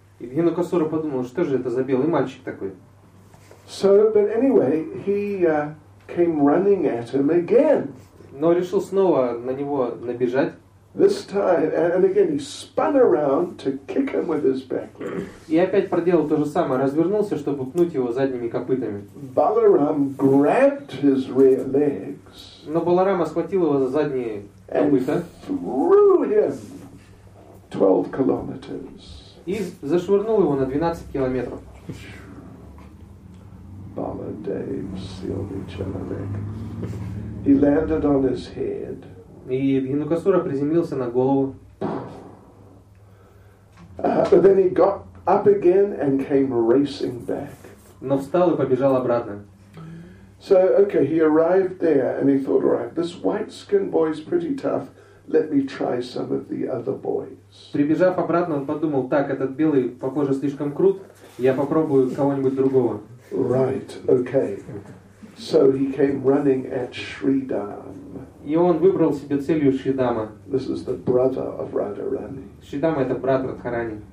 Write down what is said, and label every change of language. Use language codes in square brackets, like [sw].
[ru] И Дейнакасура подумал, что же это за белый мальчик такой? [en] So, but anyway, he came running at him again. [ru] Но решил снова на него набежать. [en] This time, and again, he spun around to kick him with his back legs. [ru] И опять проделал то же самое, развернулся, чтобы пнуть его задними копытами. [en] Balaram grabbed his rear legs. [ru] Но Баларама схватил его за задние копыта. [en] And threw him 12 kilometers. [ru] И зашвырнул его на 12 километров. Баладейм сильный человек. [en] He landed on his head. [ru] И Дейнакасура приземлился на голову. [en] But then he got up again and came racing back. [ru] Но встал и побежал обратно. [en] So, okay, he arrived there and he thought, all right, this white-skinned boy is pretty tough. Let me try some of the other boys. [ru] Прибежав обратно, он подумал, так, этот белый, похоже, слишком крут. Я попробую кого-нибудь другого. [en] Right, okay. So he came running at Shridam. [ru] И он выбрал себе целью Шридама. [en] This is the brother of Radharani. [ru] Шридама это брат Радхарани.